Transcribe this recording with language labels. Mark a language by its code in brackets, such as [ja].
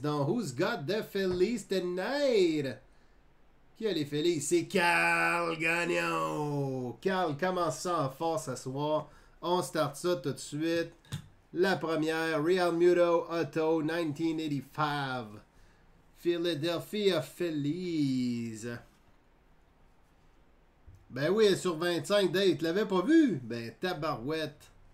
[en] Donc, who's got the Phillies tonight? [fr] Qui a les Phillies? C'est Carl Gagnon. Carl commence ça en force ce soir. On start ça tout de suite. La première, Real Muto Auto 1985. [en] Philadelphia Phillies. [fr] Ben oui, sur 25, Dave, tu l'avais pas vu? Ben, tabarouette.